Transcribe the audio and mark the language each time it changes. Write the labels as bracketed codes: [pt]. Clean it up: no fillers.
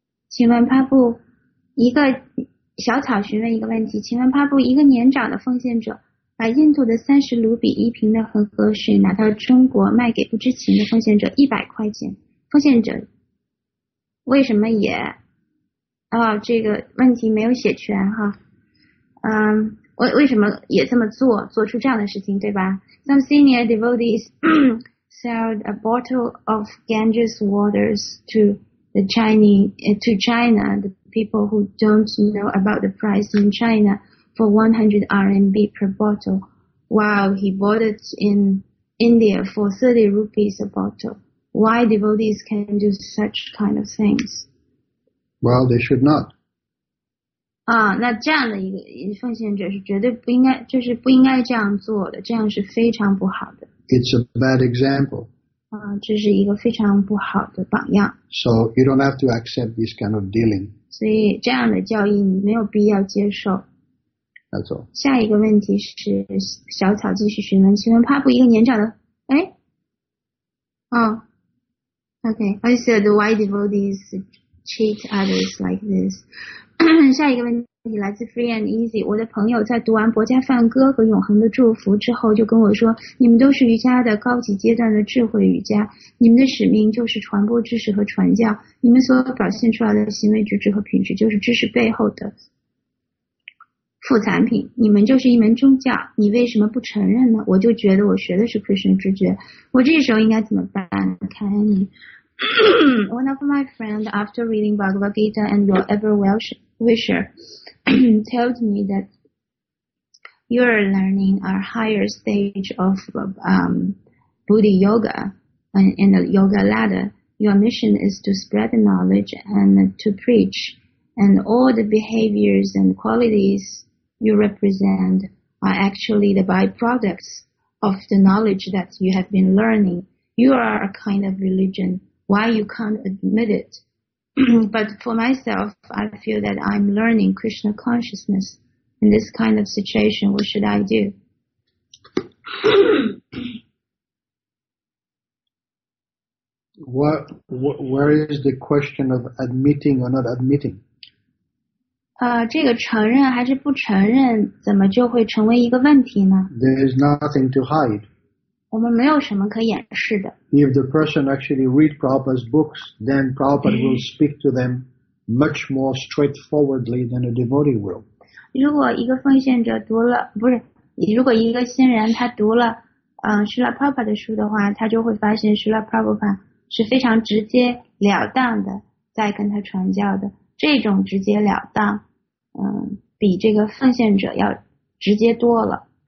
[zh] 请问帕布，一个小草询问一个问题，请问帕布，一个年长的奉献者把印度的30卢比一瓶的恒河水拿到中国卖给不知情的奉献者100块钱，奉献者为什么也这个问题没有写全哈。为什么也这么做，做出这样的事情，对吧？ [en] Some senior devotees sell a bottle of Ganges waters to the Chinese, to China, the people who don't know about the price in China, for 100 RMB per bottle, while he bought it in India for 30 rupees a bottle. Why devotees can do such kind of things? Well, they should not. [zh] 那这样的一个奉献者是绝对不应该，就是不应该这样做的，这样是非常不好的。 [en] It's a bad example. [zh] 这是一个非常不好的榜样。 [en] So you don't have to accept this kind of dealing. [zh] 所以这样的教义你没有必要接受。 [en] That's all. [zh] 下一个问题是小草继续询问，请问帕布，一个年长的， [en] I said why devotees cheat others like this. [zh] 下一个问题来自 Free and Easy。我的朋友在读完薄伽梵歌和永恒的祝福之后就跟我说，你们都是瑜伽的高级阶段的智慧瑜伽，你们的使命就是传播知识和传教，你们所表现出来的行为举止和品质就是知识背后的副产品，你们就是一门宗教，你为什么不承认呢？我就觉得我学的是 Krishna 直觉，我这时候应该怎么办？看你。 [en] One of my friends, after reading Bhagavad Gita and your ever wisher, told me that you are learning a higher stage of Bodhi Yoga in the yoga ladder. Your mission is to spread the knowledge and to preach, and all the behaviors and qualities you represent are actually the byproducts of the knowledge that you have been learning. You are a kind of religion. Why you can't admit it? But for myself, I feel that I'm learning Krishna consciousness. In this kind of situation, what should I do? Where is the question of admitting or not admitting? [zh] 这个承认还是不承认，怎么就会成为一个问题呢？ [en] There is nothing to hide. [zh] 我们没有什么可掩饰的。 [en] If the person actually read Prabhupada's books, then Prabhupada will speak to them much more straightforwardly than a devotee will. [zh] 如果一个奉献者读了，不是，如果一个新人他读了，Srila Prabhupada的书的话，他就会发现Srila Prabhupada是非常直接了当的，在跟他传教的。这种直截了当，比这个奉献者要直接多了。